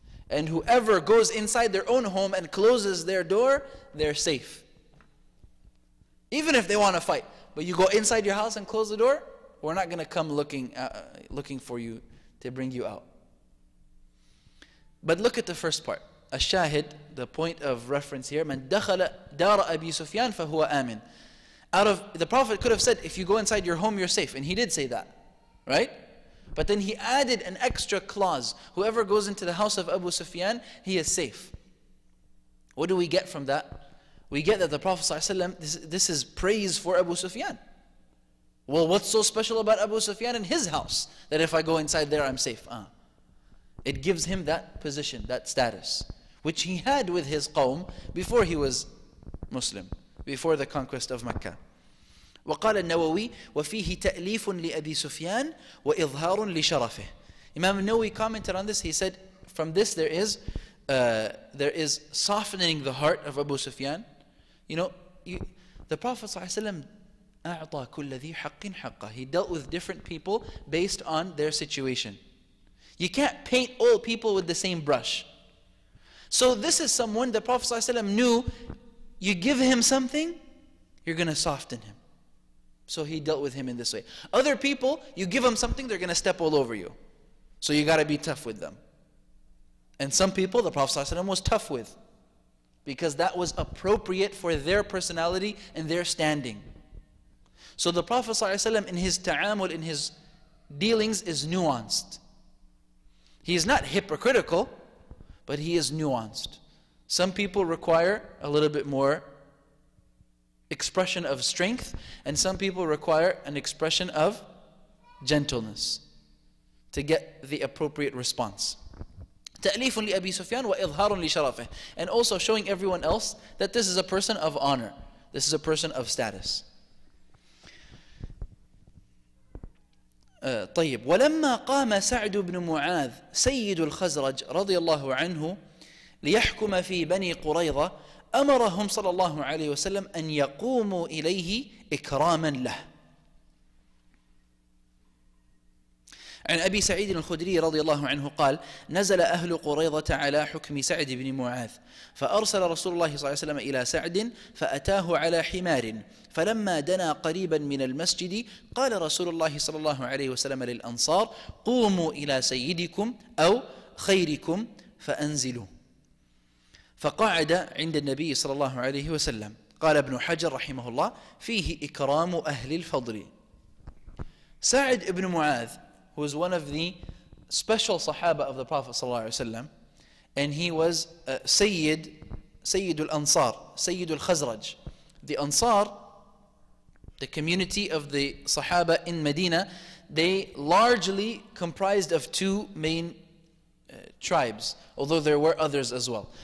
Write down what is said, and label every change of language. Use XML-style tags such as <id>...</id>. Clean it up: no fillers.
<en>And whoever goes inside their own home and closes their door, they're safe. Even if they want to fight, but you go inside your house and close the door, we're not going to come looking for you to bring you out. But look at the first part.</en> <ar>Ash-shahid,</ar> <en>the point of reference here,</en> <ar>من دخل دار أبي سفيان فهو آمن.</ar> <en>Out of, the Prophet could have said, if you go inside your home, you're safe. And he did say that, right? But then he added an extra clause. Whoever goes into the house of Abu Sufyan, he is safe. What do we get from that? We get that the Prophet ﷺ, this is praise for Abu Sufyan. Well, what's so special about Abu Sufyan and his house that if I go inside there, I'm safe? It gives him that position, that status, which he had with his qawm before he was Muslim, before the conquest of Mecca.</en> <ar>وقال النووي وفيه تأليف لأبي سفيان وإظهار لشرفه.</ar> <en>Imam Nawawi commented on this. He said, from this there is softening the heart of Abu Sufyan. The Prophet</en> <ar>ﷺ أعطى كل ذي حق حقا.</ar> <en>He dealt with different people based on their situation. You can't paint all people with the same brush. So this is someone the Prophet ﷺ knew. You give him something, you're going to soften him. So he dealt with him in this way. Other people, you give them something, they're going to step all over you. So you got to be tough with them. And some people, the Prophet ﷺ was tough with, because that was appropriate for their personality and their standing. So the Prophet ﷺ, in his ta'amul, in his dealings, is nuanced. He is not hypocritical, but he is nuanced. Some people require a little bit more expression of strength, and some people require an expression of gentleness to get the appropriate response.</en> <ar>تأليف لأبي سفيان وإظهار لشرفه.</ar> <en>And also showing everyone else that this is a person of honor, this is a person of status.</en> <ar>طيب ولما قام سعد بن معاذ سيد الخزرج رضي الله عنه ليحكم في بني قريظة أمرهم صلى الله عليه وسلم أن يقوموا إليه إكراما له. عن أبي سعيد الخدري رضي الله عنه قال نزل أهل قريظة على حكم سعد بن معاذ فأرسل رسول الله صلى الله عليه وسلم إلى سعد فأتاه على حمار فلما دنا قريبا من المسجد قال رسول الله صلى الله عليه وسلم للأنصار قوموا إلى سيدكم أو خيركم فأنزلوا. فقعد عند النبي صلى الله عليه وسلم. قال ابن حجر رحمه الله فيه إكرام أهل الفضل.</ar> <en>سعد ابن معاذ, who was one of the special Sahaba of the Prophet صلى الله عليه وسلم, and he was</en> <ar>سيد الأنصار, سيد الخزرج.</ar> <en>The Ansar, the community of the Sahaba in Medina, they largely comprised of two main tribes, although there were others as well.</en>